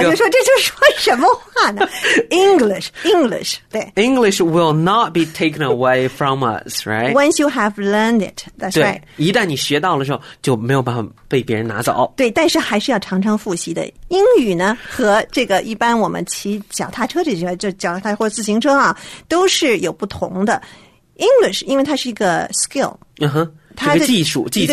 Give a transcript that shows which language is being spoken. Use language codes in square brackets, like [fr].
[zh] 我就说这就说什么话呢English 对 [en] English will not be taken away from us right? Once you have learned it That's right [zh] 一旦你学到了之后就没有办法被别人拿走对但是还是要常常复习的英语呢和这个一般我们骑脚踏车这些就脚踏或自行车啊，都是有不同的 [en] English [zh] 因为它是一个 skill 它的技术技巧